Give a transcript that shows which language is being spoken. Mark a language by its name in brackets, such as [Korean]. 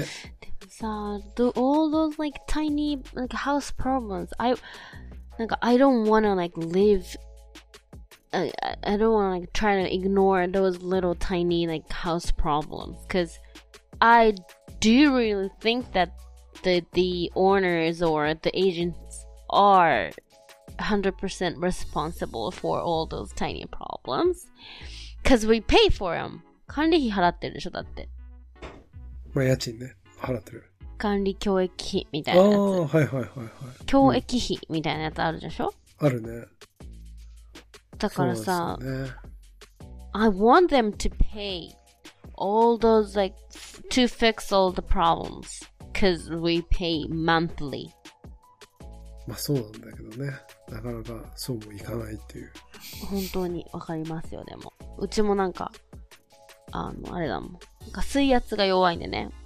[Japanese] でもさ、 [English] all those like tiny like house problems, I, なんか I don't wanna like live, I don't wanna like try to ignore those little tiny like house problems, because I do really think that the owners or the agents are 100% responsible for all those tiny problems, because we pay for them. [Japanese] 管理費払ってるでしょ、だって。まあ、家賃ね、払ってる。管理教育費みたいなやつ。ああ、はいはいはいはい。教育費みたいなやつあるでしょ、うん、あるね。だからさ、そうです [English] ね、I want them to pay all those, like, to fix all the problems, because we pay monthly. [Japanese] まあ、そうなんだけどね。なかなかそうもいかないっていう。本当にわかりますよ、でも。うちもなんか、あの、あれだもん。なんか水圧が弱いんでね。